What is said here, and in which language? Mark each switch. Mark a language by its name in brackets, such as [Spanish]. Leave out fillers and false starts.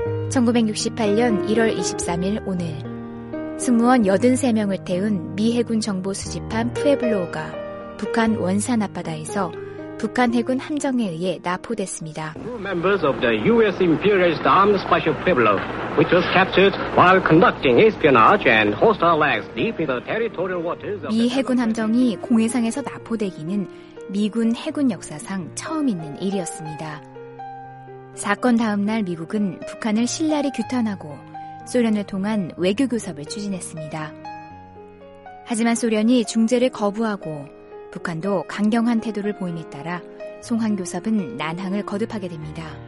[Korean] 1968년 1월 23일 오늘 승무원 83명을 태운 미 해군 정보 수집함 푸에블로우가 북한 원산 앞바다에서 북한 해군 함정에 의해 나포됐습니다. [English] Members of the U.S. Imperialist Armed Special Pueblo, which was captured while conducting espionage and hostile acts deep in the territorial waters. [Korean] 미 해군 함정이 공해상에서 나포되기는 미군 해군 역사상 처음 있는 일이었습니다. 사건 다음 날 미국은 북한을 신랄히 규탄하고 소련을 통한 외교 교섭을 추진했습니다. 하지만 소련이 중재를 거부하고 북한도 강경한 태도를 보임에 따라 송환교섭은 난항을 거듭하게 됩니다.